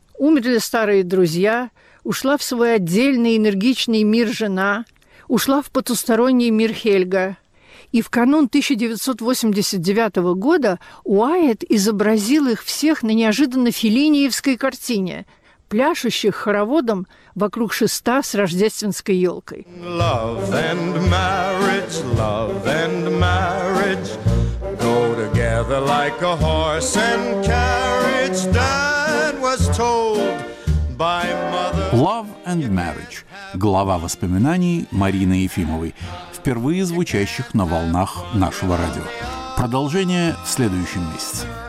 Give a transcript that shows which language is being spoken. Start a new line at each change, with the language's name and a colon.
Russian: Умерли старые друзья, ушла в свой отдельный энергичный мир жена, ушла в потусторонний мир Хельга. И в канун 1989 года Уайетт изобразил их всех на неожиданно феллиниевской картине, пляшущих хороводом вокруг шеста с рождественской елкой.
English: Love and marriage, love and marriage. Like a horse and carriage, Dad was told by mother. Love and Marriage.
Russian: Глава воспоминаний Марины Ефимовой, впервые звучащих на волнах нашего радио. Продолжение в следующем месяце.